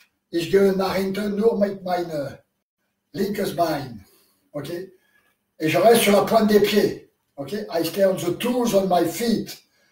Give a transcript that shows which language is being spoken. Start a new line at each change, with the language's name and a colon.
German: Ich gehe nach hinten nur mit meiner linkes Bein.
English: OK?
French: Et je reste sur la pointe des pieds.
English: OK? I stay on the toes on my feet.